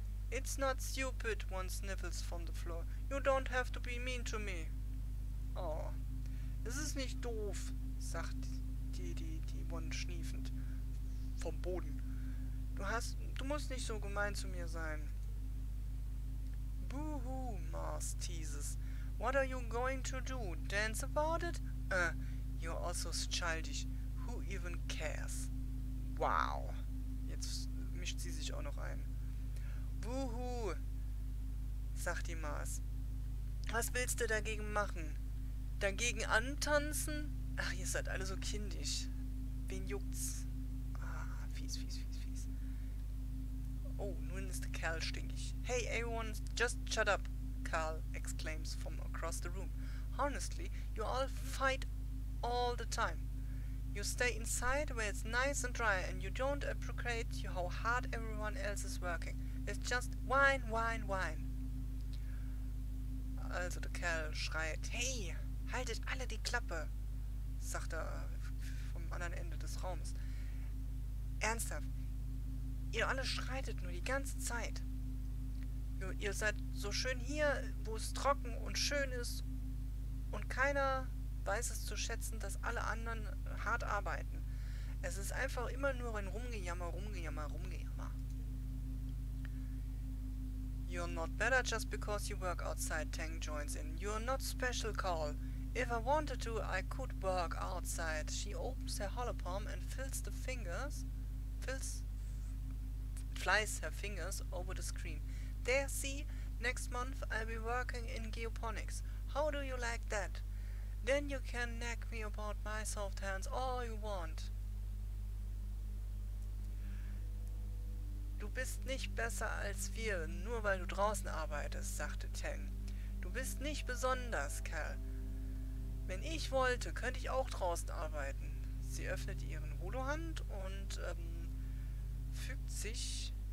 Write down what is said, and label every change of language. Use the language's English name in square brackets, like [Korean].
[English] It's not stupid, one sniffles from the floor. You don't have to be mean to me. [German] Oh, es ist nicht doof, sagt die One schniefend vom Boden. Du musst nicht so gemein zu mir sein. [English] Boohoo, Mars teases. What are you going to do? Dance about it? You're also childish. Who even cares? Wow. [German] Jetzt mischt sie sich auch noch ein. Woohoo, sagt die Mars. Was willst du dagegen machen? Dagegen antanzen? Ach, ihr seid alle so kindisch. Wen juckt's? Ah, fies, fies, fies, fies. Oh, nun ist der Kerl stinkig. [English] Hey, everyone, just shut up. Carl exclaims from across the room. Honestly, you all fight all the time. You stay inside where it's nice and dry and you don't appreciate how hard everyone else is working. It's just whine, whine, whine. [German] Also der Kerl schreit, hey, haltet alle die Klappe, sagt er vom anderen Ende des Raumes. Ernsthaft, ihr alle schreitet nur die ganze Zeit. Ihr seid so schön hier, wo es trocken und schön ist und keiner weiß es zu schätzen, dass alle anderen hart arbeiten. Es ist einfach immer nur ein Rumgejammer, Rumgejammer, Rumgejammer. [English] You're not better just because you work outside, Tang joins in. You're not special, Carl. If I wanted to, I could work outside. She opens her hollow palm and fills the fingers, flies her fingers over the screen. There, see, next month I'll be working in geoponics. How do you like that? Then you can nag me about my soft hands all you want. [German] Du bist nicht besser als wir, nur weil du draußen arbeitest, sagte Tang. Du bist nicht besonders, Kerl. Wenn ich wollte, könnte ich auch draußen arbeiten. Sie öffnet ihren Holohand und fügt sich...